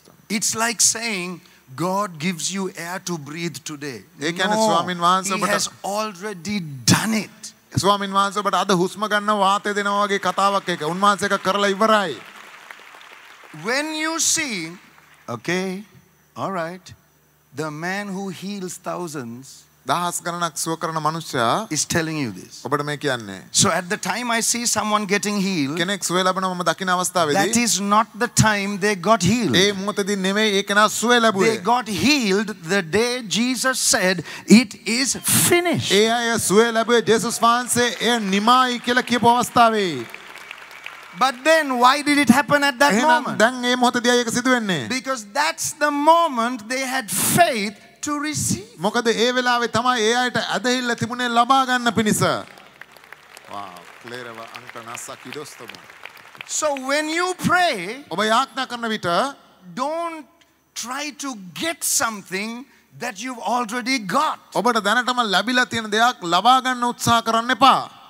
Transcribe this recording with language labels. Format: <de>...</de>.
<en>It's like saying God gives you air to breathe today. No, He has already done it.</en> <si>ස්වාමීන් වහන්සේ ඔබට අද හුස්ම ගන්න වාතය දෙනවා වගේ කතාවක් එක උන්වහන්සේක කරලා ඉවරයි.</si> <en>When you see, okay, all right, the man who heals thousands.</en> <si>දහස් ගණනක් සුව කරන මනුෂ්‍යයා</si> <en>is telling you this.</en> <si>ඔබට මේ කියන්නේ.</si> <en>So at the time I see someone getting healed.</en> <si>කෙනෙක් සුව ලැබෙනවා මම දකින අවස්ථාවේදී.</si> <en>That is not the time they got healed.</en> <si>ඒ මොහොතදී නෙමෙයි ඒ කෙනා සුව ලැබුවේ.</si> <en>They got healed the day Jesus said it is finished.</en> <si>ඒ අය සුව ලැබුවේ ජේසුස් වහන්සේ එය නිමායි කියලා කියපු අවස්ථාවේ.</si> <en>But then why did it happen at that moment?</en> <si>දැන් මේ මොහොතදී ඒක සිදු වෙන්නේ.</si> <en>Because that's the moment they had faith. To receive.</en> <si>මොකද ඒ වෙලාවේ තමයි ඒ අයට ඇදහිල්ල තිබුණේ ලබා ගන්න පිණිස. Wow. Clearව අන්තනස්ස කිදොස්තම.</si> <en>So when you pray,</en> <si>ඔබ යාඥා කරන විට</si> <en>don't try to get something that you've already got.</en> <si>ඔබට දැනටම ලැබිලා තියෙන දෙයක් ලබා ගන්න උත්සාහ කරන්න එපා.</si>